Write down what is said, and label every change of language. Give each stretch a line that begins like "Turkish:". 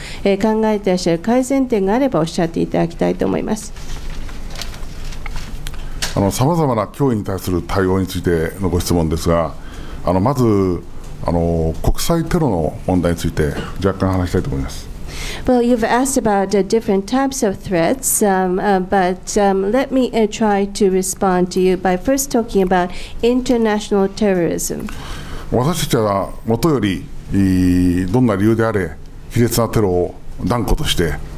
Japanese: があればおっしゃっていただきたいと思います。様々な脅威に対する対応についてのご質問ですが、まず国際テロの問題について若干話したいと思います。
English: Well, you've asked about different types of threats, but let me try to respond to you by first talking about international terrorism.
Japanese: 私たちは元よりどんな理由であれ卑劣なテロを断固として